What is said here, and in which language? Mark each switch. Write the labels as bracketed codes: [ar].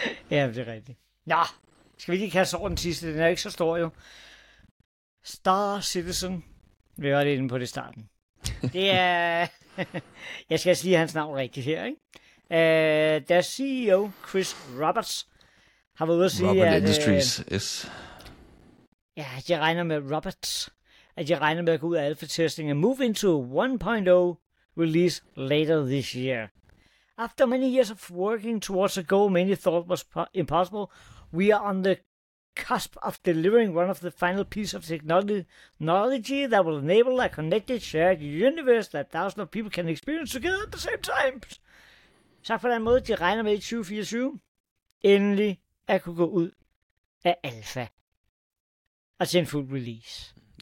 [da] Ja, det er rigtigt. Nå, skal vi lige kaste over den sidste? Den er ikke så stor jo. Star Citizen. Vi var lidt inde på det starten. Det er... Jeg skal sige hans navn rigtigt her, ikke? Deres CEO, Chris Roberts, har været ude at sige... Robert Industries, yes. Ja, de regner med Roberts. At jeg regner med at gå ud af alpha-testing [en] and move into 1.0 release later this year. After many years of working towards a goal many thought was impossible, we are on the cusp of delivering one of the final pieces of technology that will enable a connected shared universe that thousands of people can experience together at the same time. [da] Så på den måde, de regner med i 2024, endelig at kunne gå ud af alpha og til en full release.